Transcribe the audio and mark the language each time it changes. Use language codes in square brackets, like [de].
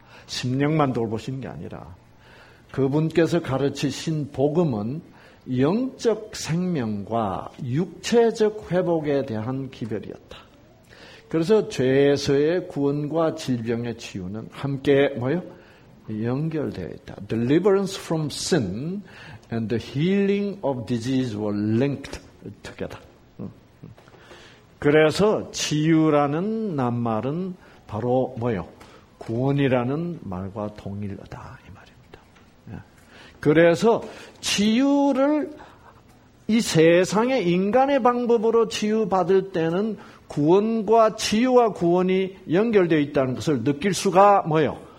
[ko] 심령만 돌보신 게 아니라 그분께서 가르치신 복음은 영적 생명과 육체적 회복에 대한 기별이었다. 그래서 죄에서의 구원과 질병의 치유는 함께 뭐요? 연결되어 있다. [en] Deliverance from sin and the healing of disease were linked together. [ko] 그래서 치유라는 낱말은 바로 뭐요? 구원이라는 말과 동일하다 이 말입니다. 그래서 치유를 이 세상의 인간의 방법으로 치유받을 때는 구원과 치유와 구원이 연결되어 있다는 것을 느낄 수가 뭐요?